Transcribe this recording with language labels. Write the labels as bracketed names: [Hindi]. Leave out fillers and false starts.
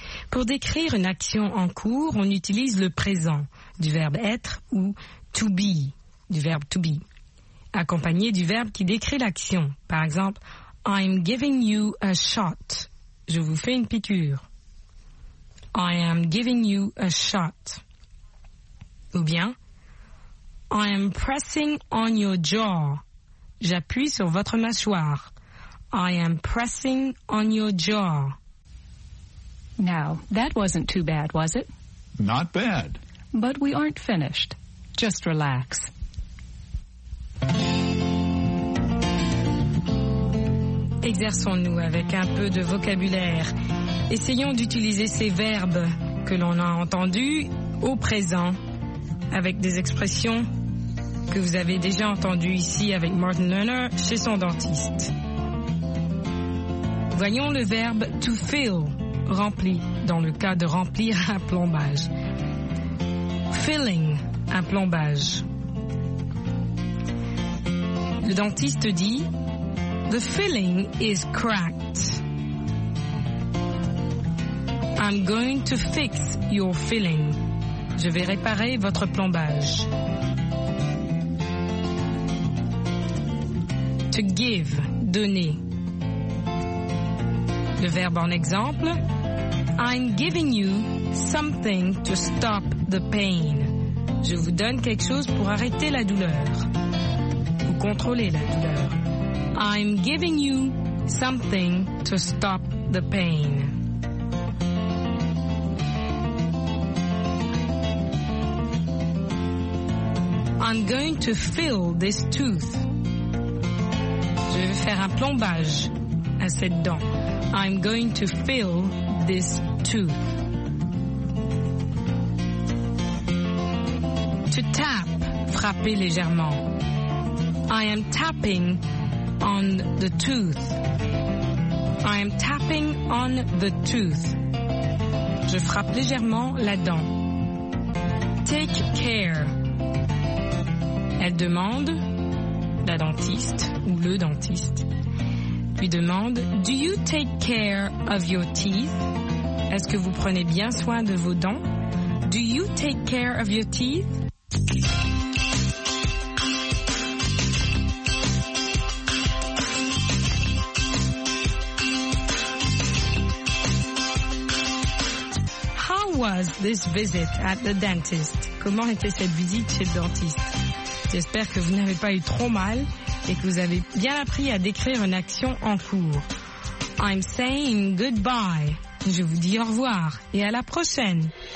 [French] Pour décrire une action en cours, on utilise le présent du verbe être ou to be, du verbe to be, accompagné du verbe qui décrit l'action. [English] Par exemple, I'm giving you a shot. [French] Je vous fais une piqûre. [English] I am giving you a shot. Ou bien, I am pressing on your jaw. [French] J'appuie sur votre mâchoire. [English] I am pressing on your jaw. Now, that wasn't too bad, was it? Not bad. But we aren't finished. Just relax. [French] Exerçons-nous avec un peu de vocabulaire. Essayons d'utiliser ces verbes que l'on a entendus au présent avec des expressions que vous avez déjà entendues ici avec Martin Lerner chez son dentiste. Voyons le verbe to fill, rempli, dans le cas de remplir un plombage. Filling, un plombage. Le dentiste dit [English] « The filling is cracked. I'm going to fix your filling. [French] Je vais réparer votre plombage. » To give, donner. Le verbe en exemple, [English] I'm giving you something to stop the pain. [French] Je vous donne quelque chose pour arrêter la douleur. Ou contrôler la douleur. [English] I'm giving you something to stop the pain. I'm going to fill this tooth. [French] Je vais faire un plombage à cette dent. [English] I'm going to fill this tooth. [French] To tap, frapper légèrement. [English] I am tapping on the tooth. I am tapping on the tooth. [French] Je frappe légèrement la dent. [English] Take care. [French] Elle demande, la dentiste ou le dentiste, lui demande, [English] do you take care of your teeth? [French] Est-ce que vous prenez bien soin de vos dents? [English] Do you take care of your teeth? How was this visit at the dentist? [French] Comment était cette visite chez le dentiste? J'espère que vous n'avez pas eu trop mal et que vous avez bien appris à décrire une action en cours. [English] I'm saying goodbye. [French] Je vous dis au revoir et à la prochaine.